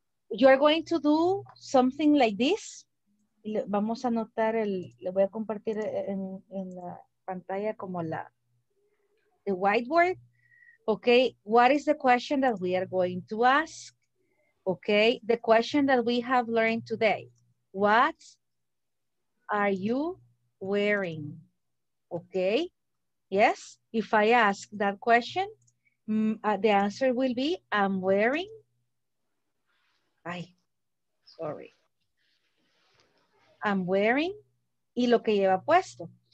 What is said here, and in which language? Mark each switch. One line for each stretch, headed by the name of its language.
English: You are going to do something like this.
Spanish: Vamos a anotar el. Le voy a compartir en la pantalla como la.
English: The whiteboard. Okay. What is the question that we are going to ask? Okay. The question that we have learned today. What are you wearing? Okay. Yes, if I ask that question, the answer will be, I'm wearing, I'm wearing,
Spanish: y lo que lleva puesto.